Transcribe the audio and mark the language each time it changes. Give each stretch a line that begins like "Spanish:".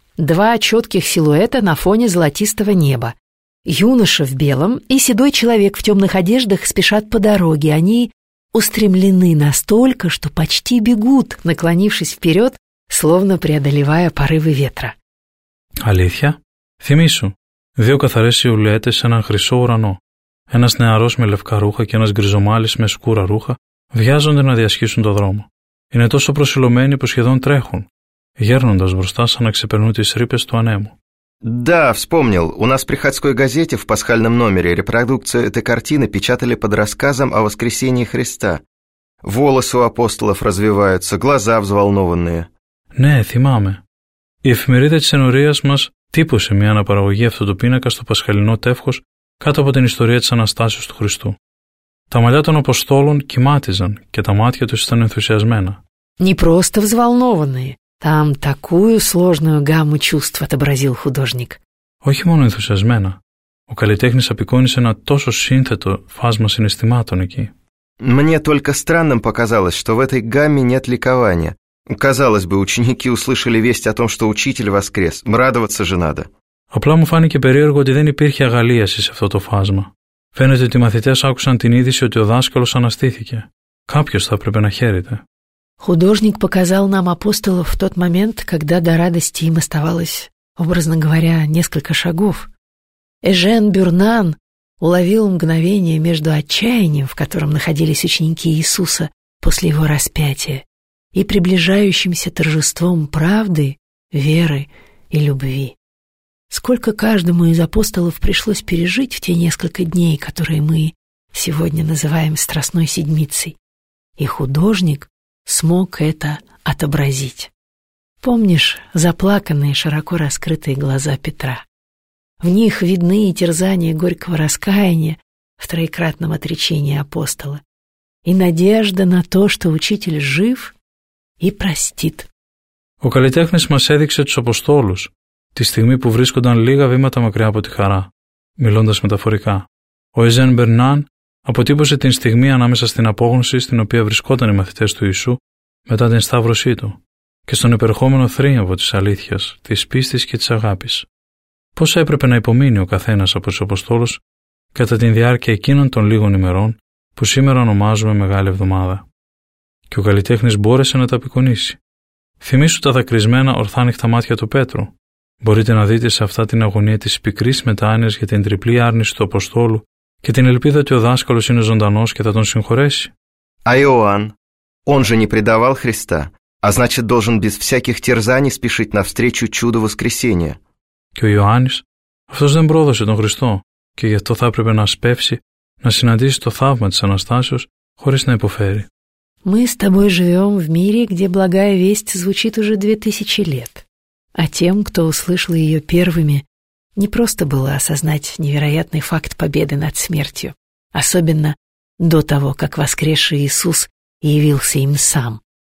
Russian: Два четких силуэта на фоне золотистого неба. Юноша в белом и седой человек в темных одеждах спешат по дороге. Они устремлены настолько, что почти бегут, наклонившись вперед, словно преодолевая порывы ветра.
Greek: Αλήθεια? Θυμήσου. Δύο καθαρές σιλουέτες σε έναν χρυσό ουρανό. Ένας νεαρός με λευκά ρούχα και ένας γκριζομάλης με σκούρα ρούχα βιάζονται να διασχίσουν το δρόμο. Είναι τόσο προσιλωμένοι που σχεδόν τρέχουν, γέρνοντας μπροστά σαν να ξεπερνούν τις ρήπες του ανέμου.
Russian: Да, вспомнил. У нас в приходской газете в пасхальном номере репродукцию этой картины печатали под рассказом о воскресении Христа. Волосы у апостолов развиваются, глаза взволнованные.
Greek: Ναι, θυμάμαι. Η εφημερίδα της ενορίας μας τύπωσε μια αναπαραγωγή αυτού του πίνακα στο πασχαλινό τεύχος κάτω από την ιστορία της Αναστάσεως του Χριστού. Τα μαλλιά των Αποστόλων κυμάτιζαν και τα μάτια τους ήταν ενθουσιασμένα.
Russian: Не просто взволнованные. Там такую сложную гамму чувств отобразил художник.
Greek: Όχι μόνο ενθουσιασμένα. Ο καλλιτέχνης απεικόνισε ένα τόσο σύνθετο φάσμα συναισθημάτων εκεί.
Russian: Мне только странным показалось, что в этой гамме нет ликования. Казалось бы, ученики услышали весть о том, что учитель воскрес. Радоваться же надо.
Greek: Απλά μου φάνηκε περίεργο ότι δεν υπήρχε αγαλίαση σε αυτό το φάσμα. Φαίνεται ότι οι μαθητές άκουσαν την είδηση ότι ο δάσκαλος αναστήθηκε. Κάποιος θα έπρεπε να χαίρεται.
Russian: Художник показал нам апостолов в тот момент, когда до радости им оставалось, образно говоря, несколько шагов. Эжен Бюрнан уловил мгновение между отчаянием, в котором находились ученики Иисуса после его распятия, и приближающимся торжеством правды, веры и любви. Сколько каждому из апостолов пришлось пережить в те несколько дней, которые мы сегодня называем Страстной Седмицей, и художник смог это отобразить. Помнишь заплаканные, широко раскрытые глаза Петра? В них видны и терзания горького раскаяния в троекратном отречении апостола, и надежда на то, что учитель жив и простит.
Greek: Ο καλλιτέχνης μας έδειξε τους Αποστόλους, τη στιγμή που βρίσκονταν λίγα βήματα μακριά από τη χαρά, μιλώντας μεταφορικά. Ο Εζέν Μπερνάν αποτύπωσε την στιγμή ανάμεσα στην απόγνωση στην οποία βρισκόταν οι μαθητές του Ιησού μετά την σταύρωσή του και στον υπερχόμενο θρίαμβο της αλήθειας, της πίστης και της αγάπης. Πώς έπρεπε να υπομείνει ο καθένας από τους Αποστόλους κατά τη διάρκεια εκείνων των λίγων ημερών που σήμερα ονομάζουμε Μεγάλη Εβδομάδα. Και ο καλλιτέχνης μπόρεσε να τα απεικονίσει. Θυμήσου τα δακρυσμένα ορθάνυχτα μάτια του Πέτρου. Μπορείτε να δείτε σε αυτά την αγωνία της πικρής μετάνοιας για την τριπλή άρνηση του Αποστόλου και την ελπίδα ότι ο δάσκαλος είναι ζωντανός και θα τον συγχωρέσει.
Russian: А Иоанн, он же не предавал Христа, а значит должен без всяких терзаний спешить навстречу чуду воскресения.
Greek: Και ο Ιωάννης, αυτός δεν πρόδωσε τον Χριστό και γι' αυτό θα έπρεπε να σπεύσει να συναντήσει το θαύμα της Αναστάσεως χωρίς να υποφέρει.
Russian: Мы с тобой живем в мире, где благая весть звучит уже 2000 лет. А тем, кто услышал ее первыми, не просто было осознать невероятный факт победы над смертью, особенно до того, как воскресший Иисус явился им сам.